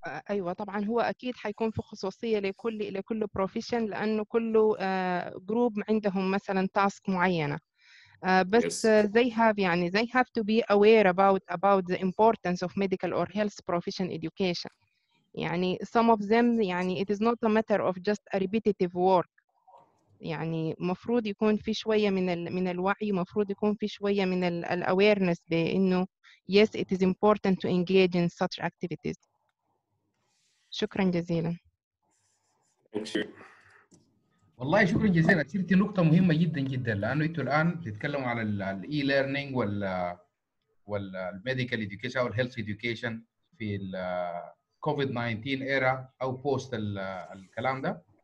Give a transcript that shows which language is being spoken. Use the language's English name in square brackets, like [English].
[Arabic] أيوة طبعاً هو أكيد حيكون في خصوصية لكل profession لأنه كل group عندهم مثلاً task معينة. [English] بس they have يعني they have to be aware about the importance of medical or health profession education. يعني some of them يعني it is not a matter of just a repetitive work. [Arabic] يعني مفروض يكون في شوية من الوعي, مفروض يكون في شوية من ال awareness بأنه [English] yes it is important to engage in such activities. [Arabic] شكرا جزيلا. والله شكرا جزيلا, أثرتي نقطة مهمة جدا جدا لأنه أنتوا الآن تتكلموا على ال e-learning وال medical education أو health education في ال COVID-19 era أو post الكلام ده.